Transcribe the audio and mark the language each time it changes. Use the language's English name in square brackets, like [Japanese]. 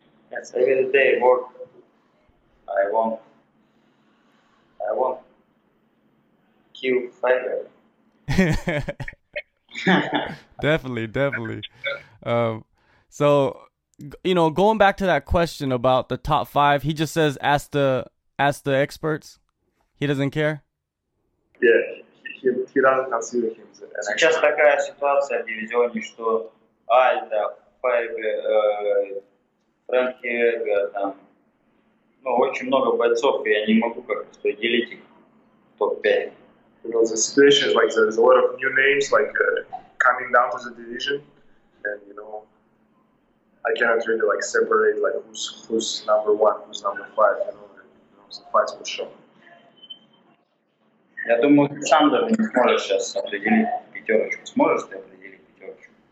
[English] Yes, every day I work. I want cute fighter. definitely. So, you know, going back to that question about the top 5, he just says ask the experts. He doesn't care. Yeah, he doesn't consider him. [Russian] Сейчас такая ситуация в дивизионе, что Альдо, Фейбер, Фрэнк Хиберга, там, ну, очень много бойцов, и я не могу как-то распределить их в топ-5. [English] You know, the situation is like there's a lot of new names like coming down to the division, and you know, I cannot really like separate like who's number one, who's number 5, you know, and, you know, the fights will show. [Russian] Я думаю, ты сам даже не сможешь сейчас определить пятерочку. Сможешь ты определить пятерочку?